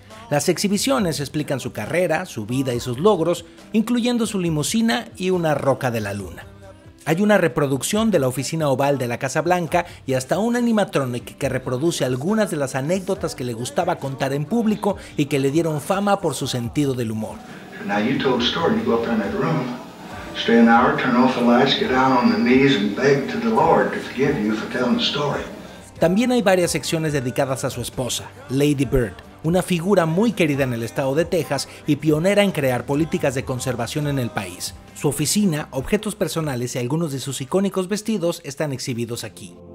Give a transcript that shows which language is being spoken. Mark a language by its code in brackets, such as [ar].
[es] Las exhibiciones explican su carrera, su vida y sus logros, incluyendo su limusina y una roca de la luna. Hay una reproducción de la oficina oval de la Casa Blanca y hasta un animatronic que reproduce algunas de las anécdotas que le gustaba contar en público y que le dieron fama por su sentido del humor. [en] Now you told a story, you go up in that room, stay an hour, turn off the lights, get down on the knees and beg to the Lord to forgive you for telling the story. [es] También hay varias secciones dedicadas a su esposa, Lady Bird, una figura muy querida en el estado de Texas y pionera en crear políticas de conservación en el país. Su oficina, objetos personales y algunos de sus icónicos vestidos están exhibidos aquí.